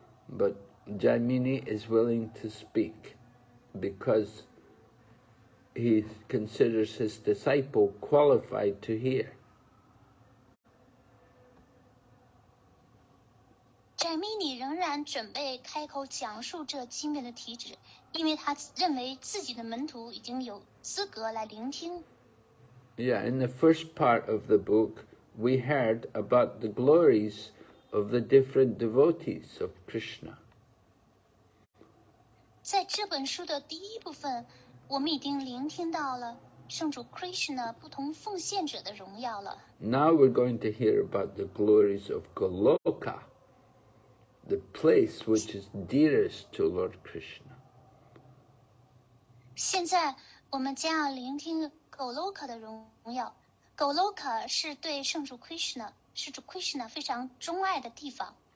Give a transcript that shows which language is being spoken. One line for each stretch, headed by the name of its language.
English: But Jaimini is willing to speak because he considers his disciple qualified to hear.
Chinese: Jaimini 仍然准备开口讲述这机密的体旨，因为他认为自己的门徒已经有资格来聆听。
English: Yeah, in the first part of the book, we heard about the glories of the different devotees of Krishna.
Chinese: 在这本书的第一部分，我们已经聆听到了圣主 Krishna 不同奉献者的荣耀了。
English: Now we're going to hear about the glories of Goloka. The place which is dearest to Lord Krishna.
Chinese: 现在我们将要聆听 Goloka 的荣耀。 Goloka 是对圣主 Krishna, 圣主 Krishna 非常钟爱的地方。